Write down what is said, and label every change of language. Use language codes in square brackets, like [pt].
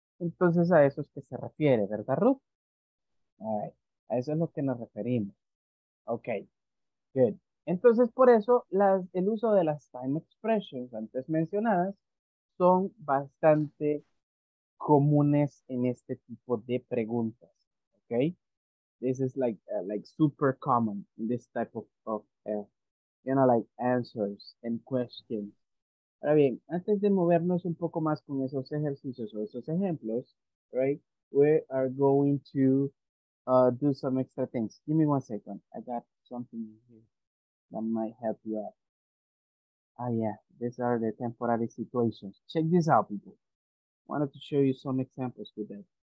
[es] Entonces a eso es que se refiere, ¿verdad, Ruth? [en] All right. [es] A eso es lo que nos referimos. [en] Ok, good. [es] Entonces por eso el uso de las time expressions antes mencionadas son bastante comunes en este tipo de preguntas. [en] Ok, this is like super common in this type of answers and questions. [es] Ahora bien, antes de movernos un poco más con esos ejercicios o esos ejemplos, right, [en] we are going to do some extra things. Give me one second. I got something here that might help you out. Ah, yeah. These are the temporary situations. Check this out, people. I wanted to show you some examples with that.